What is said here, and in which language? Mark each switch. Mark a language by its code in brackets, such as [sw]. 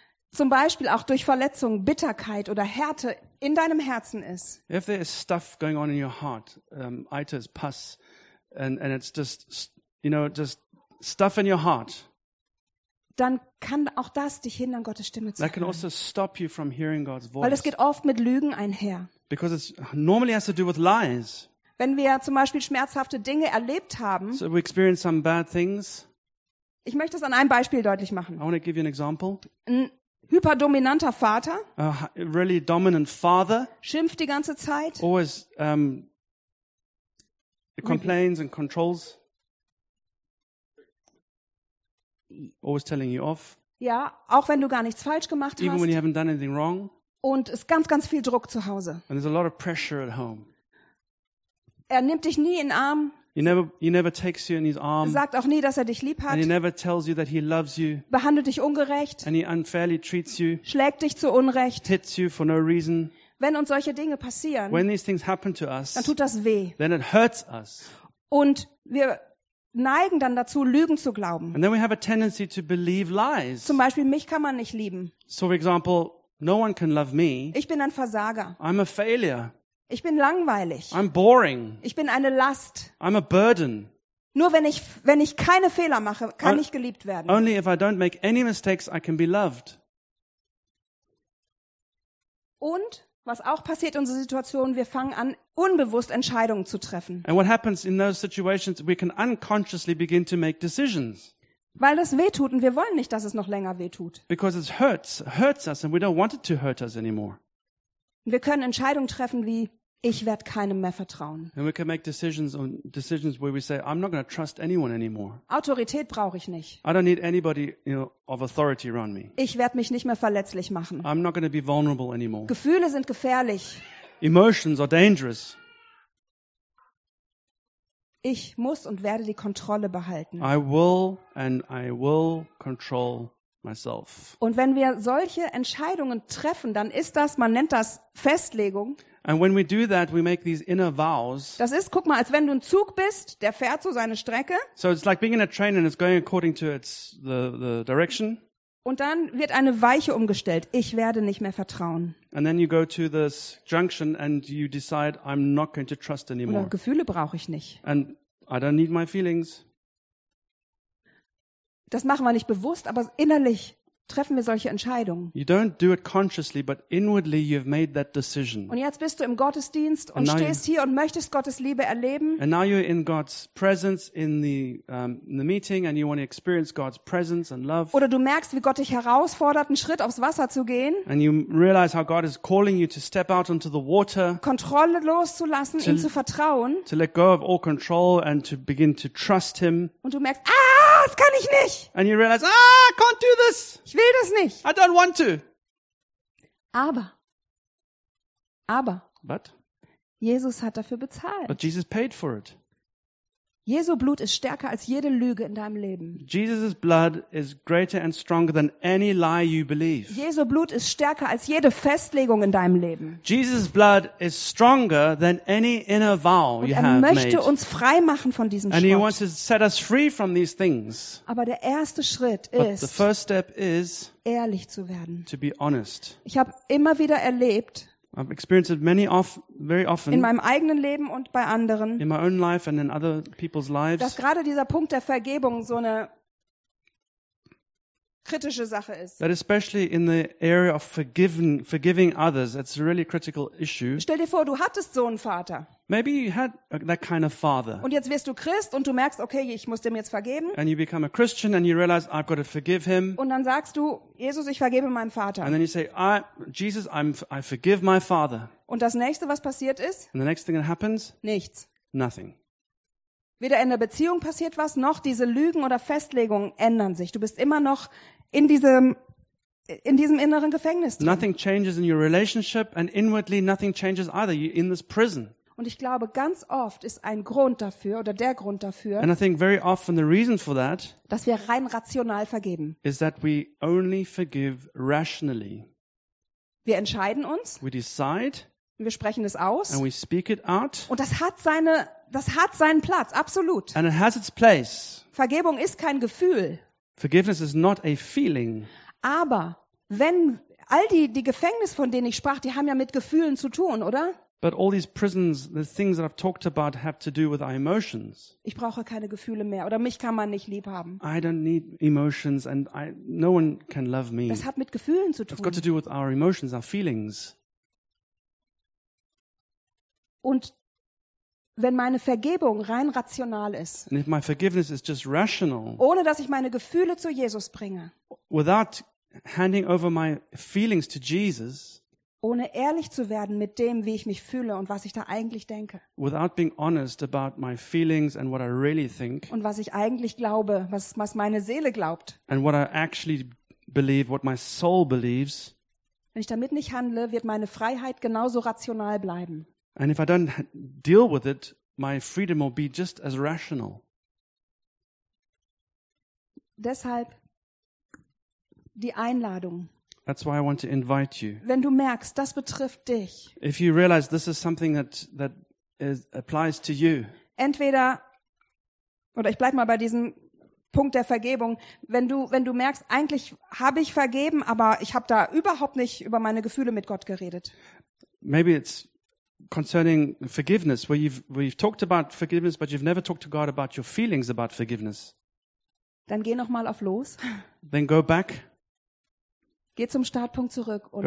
[de] zum Beispiel auch durch Verletzung, Bitterkeit oder Härte in deinem Herzen ist. [en] If there is stuff going on in your heart, Eiter is pus, and it's just, you know, just stuff in your heart. [de] Dann kann auch das dich hindern, Gottes Stimme zu hören. [en] That can also stop you from hearing God's voice. [de] Weil es geht oft mit Lügen einher. [en] Because it normally has to do with lies. [de] Wenn wir zum Beispiel schmerzhafte Dinge erlebt haben. [en] So we experience some bad things. [de] Ich möchte es an einem Beispiel deutlich machen. [en] I want to give you an example. [de] Ein hyperdominanter Vater. [en] A really dominant father. [de] Schimpft die ganze Zeit. [en] Always complains and controls. Always telling you off. [de] Ja, auch wenn du gar nichts falsch gemacht hast. [en] Even when you haven't done anything wrong. [de] Und es ist ganz, ganz viel Druck zu Hause. [en] And there's a lot of pressure at home. [de] Er nimmt dich nie in den Arm. [en] He never takes you in his arm. [de] Sagt auch nie, dass er dich lieb hat. [en] And he never tells you that he loves you. [de] Behandelt dich ungerecht. [en] And he unfairly treats you. [de] Schlägt dich zu Unrecht. [en] Hits you for no reason. [de] Wenn uns solche Dinge passieren, [en] when these things happen to us, [de] dann tut das weh. [en] Then it hurts us. [de] Und wir neigen dann dazu, Lügen zu glauben. [en] And then we have a tendency to believe lies. [de] Zum Beispiel, mich kann man nicht lieben. [en] So for example, no one can love me. [de] Ich bin ein Versager. [en] I'm a failure. [de] Ich bin langweilig. [en] I'm boring. [de] Ich bin eine Last. [en] I'm a burden. [de] Nur wenn ich keine Fehler mache, kann ich geliebt werden. [en] Only if I don't make any mistakes, I can be loved. [de] Und was auch passiert in unserer Situation, wir fangen an, unbewusst Entscheidungen zu treffen. [en] And what happens in those situations, we can unconsciously begin to make decisions. [de] Weil das wehtut und wir wollen nicht, dass es noch länger wehtut. [en] Because it hurts us and we don't want it to hurt us anymore. [de] Wir können Entscheidungen treffen wie, ich werde keinem mehr vertrauen. [en] And we can make decisions where we say, I'm not going to trust anyone anymore. [de] Autorität brauche ich nicht. [en] I don't need anybody, you know, of authority around me. [de] Ich werde mich nicht mehr verletzlich machen. [en] I'm not going to be vulnerable anymore. [de] Gefühle sind gefährlich. [en] Emotions are dangerous. [de] Ich muss und werde die Kontrolle behalten. [en] I will control myself. [de] Und wenn wir solche Entscheidungen treffen, dann ist das, man nennt das Festlegung. [en] And when we do that, we make these inner vows. [de] Das ist, guck mal, als wenn du ein Zug bist, der fährt so seine Strecke. [en] So it's like being in a train and it's going according to its the direction. [de] Und dann wird eine Weiche umgestellt. Ich werde nicht mehr vertrauen. [en] And then you go to this junction and you decide, I'm not going to trust anymore. [de] Oder Gefühle brauche ich nicht. [en] And I don't need my feelings. [de] Das machen wir nicht bewusst, aber innerlich treffen wir solche Entscheidungen. [en] You don't do it consciously, but inwardly you've made that decision. [de] Und jetzt bist du im Gottesdienst und stehst hier und möchtest Gottes Liebe erleben. [en] And now you're in God's presence in the meeting and you want to experience God's presence and love. [de] Oder du merkst, wie Gott dich herausfordert, einen Schritt aufs Wasser zu gehen. [en] And you realize how God is calling you to step out onto the water. [de] Kontrolle loszulassen, ihm zu vertrauen. [en] To let go of all control and to begin to trust him. [de] Und du merkst, das kann ich nicht. [en] And you realize, I can't do this. [de] Ich will das nicht. [en] I don't want to. [de] Aber. [en] What? [de] Jesus hat dafür bezahlt. [en] But Jesus paid for it. [de] Jesu Blut ist stärker als jede Lüge in deinem Leben. [en] Jesus' blood is greater and stronger than any lie you believe. [de] Jesu Blut ist stärker als jede Festlegung in deinem Leben. [en] Jesus' blood is stronger than any inner vow you have made. [de] Und er möchte uns frei machen von diesem Schmerz. [en] And he wants to set us free from these things. [de] Aber der erste Schritt ist, [en] the first step is, [de] ehrlich zu werden. [en] To be honest. [de] Ich habe immer wieder erlebt, [en] I've experienced it many very often [de] in meinem eigenen Leben und bei anderen, [en] in my own life and in other people's lives, [de] dass gerade dieser Punkt der Vergebung so eine kritische Sache ist. [en] That especially in the area of forgiving others, it's a really critical issue. [de] Stell dir vor, du hattest so einen Vater. [en] Maybe you had that kind of father. [de] Und jetzt wirst du Christ und du merkst, okay, ich muss dem jetzt vergeben. [en] And you become a Christian and you realize I've got to forgive him. [de] Und dann sagst du, Jesus, ich vergebe meinem Vater. [en] And then you say, I forgive my father. [de] Und das nächste, was passiert ist? [en] And the next thing that happens? [de] Nichts. [en] Nothing. [de] Weder in der Beziehung passiert was, noch diese Lügen oder Festlegungen ändern sich. Du bist immer noch in diesem inneren Gefängnis drin. [en] Nothing changes in your relationship and inwardly nothing changes either. You're in this prison. [de] Und ich glaube, ganz oft ist ein Grund dafür oder der Grund dafür, [en] and I think very often the reason for that, [de] dass wir rein rational vergeben, [en] is that we only forgive rationally. [de] Wir entscheiden uns. [en] We decide. [de] Wir sprechen es aus. [en] And we speak it out. [de] Und das hat seinen Platz, absolut. [en] And it has its place. [de] Vergebung ist kein Gefühl. [en] Forgiveness is not a feeling. [de] Aber wenn all die Gefängnisse, von denen ich sprach, die haben ja mit Gefühlen zu tun, oder? [en] But all these prisons, the things that I've talked about have to do with our emotions. [de] Ich brauche keine Gefühle mehr oder mich kann man nicht lieb haben. [en] I don't need emotions and no one can love me. [de] Das hat mit Gefühlen zu tun. [en] It's got to do with our emotions, our feelings. [de] Und wenn meine Vergebung rein rational ist, [en] and if my forgiveness is just rational, [de] ohne dass ich meine Gefühle zu Jesus bringe, [en] without handing over my feelings to Jesus, [de] ohne ehrlich zu werden mit dem, wie ich mich fühle und was ich da eigentlich denke, [en] without being honest about my feelings and what I really think, [de] und was ich eigentlich glaube, was meine Seele glaubt, [en] and what I actually believe, what my soul believes, [de] wenn ich damit nicht handle, wird meine Freiheit genauso rational bleiben. [en] And if I don't deal with it, my freedom will be just as rational. [de] Deshalb die Einladung. [en] That's why I want to invite you. [de] Wenn du merkst, das betrifft dich. [en] If you realize this is something that is, applies to you. [de] Entweder, oder ich bleib mal bei diesem Punkt der Vergebung, wenn du merkst, eigentlich habe ich vergeben, aber ich habe da überhaupt nicht über meine Gefühle mit Gott geredet. [en] Maybe it's concerning forgiveness, where you've talked about forgiveness, but you've never talked to God about your feelings about forgiveness. [de] Dann geh noch mal auf los. [en] Then go back. [de] Geh zum Startpunkt zurück und